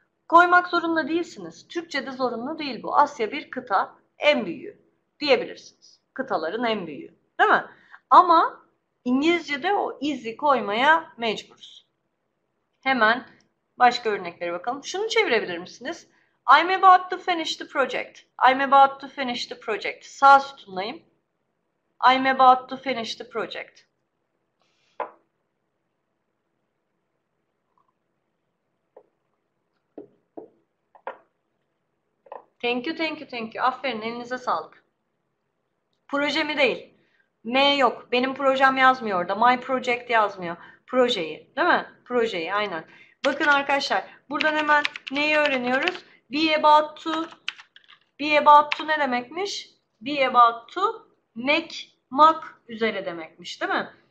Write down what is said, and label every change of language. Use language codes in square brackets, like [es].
[tr] Koymak zorunda değilsiniz. Türkçe'de zorunlu değil bu. Asya bir kıta, en büyüğü diyebilirsiniz. Kıtaların en büyüğü. Değil mi? Ama İngilizce'de o izi koymaya mecburuz. Hemen başka örneklere bakalım. Şunu çevirebilir misiniz? [en] I'm about to finish the project. I'm about to finish the project. [tr] Sağ sütundayım. [en] I'm about to finish the project. Thank you, thank you, thank you. [tr] Aferin, elinize sağlık. Proje mi değil? M yok. Benim projem yazmıyor orada. [en] My project [tr] yazmıyor. Projeyi, değil mi? Projeyi, aynen. Bakın arkadaşlar, buradan hemen neyi öğreniyoruz? Be about to. Be about to ne demekmiş? [en] Be about to make, [tr] mak üzere demekmiş, değil mi?